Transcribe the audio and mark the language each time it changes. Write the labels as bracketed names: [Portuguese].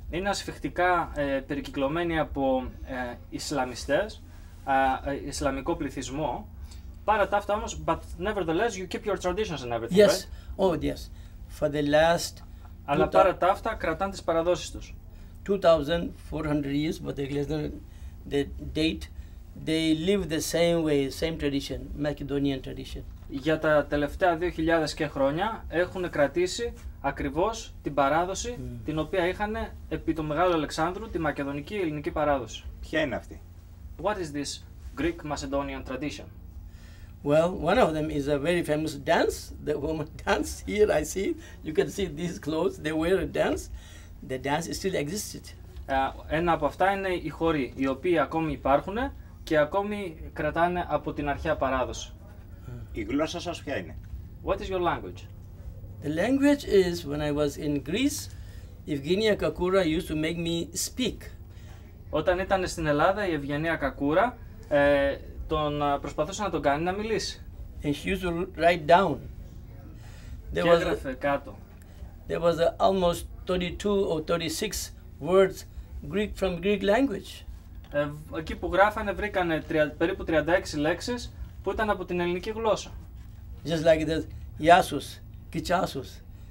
[Greek] Είναι ασφιχτικά περικυκλωμένοι από Ισλαμιστές. Ισλαμικό πληθυσμό. Παρά τα αυτά όμως, [English] but nevertheless, you keep your traditions and everything, yes. Right? Oh, yes. For the last... [Greek] Αλλά παρά τα αυτά, κρατάν τις παραδόσεις τους. [English] 2,400 years, but the date, they live the same way, same tradition, Macedonian tradition. [Greek] Για τα τελευταία 2,000 και χρόνια, έχουν κρατήσει ακριβώς την παράδοση την οποία είχαν επί του Μεγάλου Αλεξάνδρου, τη μακεδονική ελληνική παράδοση. Ποια είναι αυτή? [English] What is this Greek Macedonian tradition? Well, one of them is a very famous dance. The woman dance here, I see. You can see these clothes. They wear a dance. The dance still existed. [Greek] Ένα από αυτά είναι οι χοροί, οι οποίοι ακόμη υπάρχουν και ακόμη κρατάνε από την αρχαία παράδοση. Η γλώσσα σας ποια είναι? [English] What is your language? The language is when I was in Greece, Evgenia Kakoura used to make me speak. [Greek] Όταν ήταν στην Ελλάδα, η Ευγενία Κακούρα τον προσπαθούσε να τον κάνει να μιλήσει. [English] And he used to write down. [Greek] There και έγραφε κάτω. [English] There was almost 32 or 36 words Greek from Greek language. [Greek] Εκεί που γράφανε βρήκανε περίπου 36 λέξεις που ήταν από την ελληνική γλώσσα. [English] Just like that, Yasus, Kichasus.